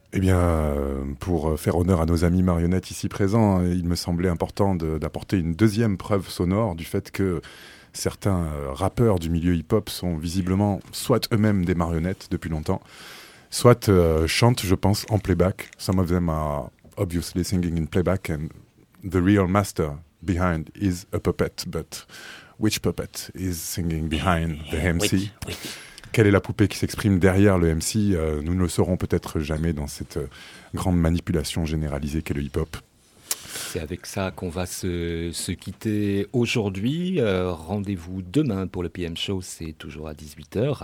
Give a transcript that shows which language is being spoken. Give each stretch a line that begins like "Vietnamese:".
French: Eh bien, pour faire honneur à nos amis marionnettes ici présents, il me semblait important d'apporter une deuxième preuve sonore du fait que certains rappeurs du milieu hip-hop sont visiblement soit eux-mêmes des marionnettes depuis longtemps, soit chantent, je pense, en playback.
English: Some of them are obviously singing in playback, and the real master behind is a puppet, but which puppet is singing behind the MC?
French: Oui, oui. Quelle est la poupée qui s'exprime derrière le MC? Nous ne le saurons peut-être jamais dans cette grande manipulation généralisée qu'est le hip-hop. C'est avec ça qu'on va se quitter aujourd'hui. Rendez-vous demain pour le PM Show, c'est toujours à 18h.